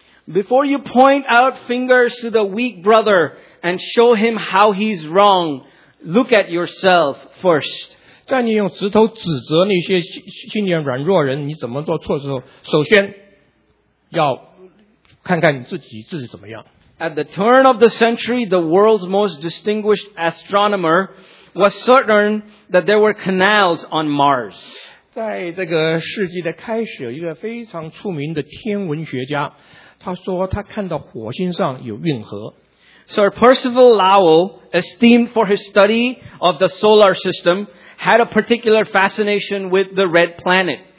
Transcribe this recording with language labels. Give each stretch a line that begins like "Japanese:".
English: Before you point out fingers to the weak brother and show him how he's wrong, look at yourself first.
Chinese: 在你用指头指责那些信念软弱人你怎么做错的时候，首先要看看你自己怎么样。
English: At the turn of the century, the world's most distinguished astronomer was certain that there were canals on Mars.
Chinese: 在这个世纪的开始，有一个非常出名的天文学家，他说他看到火星上有运河。
English: Sir Percival Lowell, esteemed for his study of the solar system, had a particular fascination with the red planet.